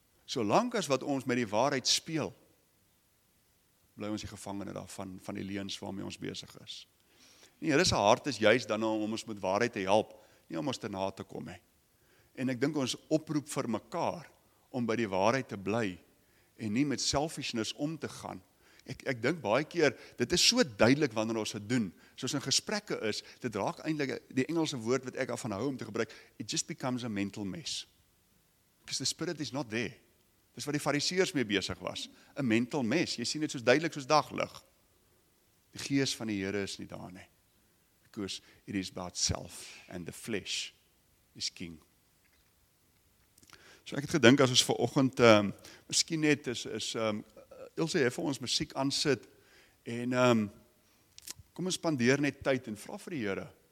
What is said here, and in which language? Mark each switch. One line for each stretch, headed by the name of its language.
Afrikaans: Solank as wat ons met die waarheid speel, bly ons die gevangene daarvan, van die leuns waarmee ons besig is. Nee, hier is een hart is juist dan om ons met waarheid te help, nie om ons te na te kom. En ek dink ons oproep vir mekaar, om by die waarheid te bly, en nie met selfishness om te gaan. Ek dink baie keer, dit is so duidelik wanneer ons het doen, soos in gesprekke is, dit raak eindelijk die Engelse woord wat ek af van hou om te gebruik,
English: it just becomes a mental mess. Because the spirit is not there.
Afrikaans: Dis wat die fariseers mee besig was.
English: A mental mess.
Afrikaans: Jy sien dit soos duidelik soos daglig. Die gees van die Here is nie daar nie.
English: Because it is about self and the flesh is king.
Afrikaans: So ek het gedink as ons vanoggend miskien net Ilse jy vir ons musiek aansit en kom ons spandeer net tyd en vra vir die Here.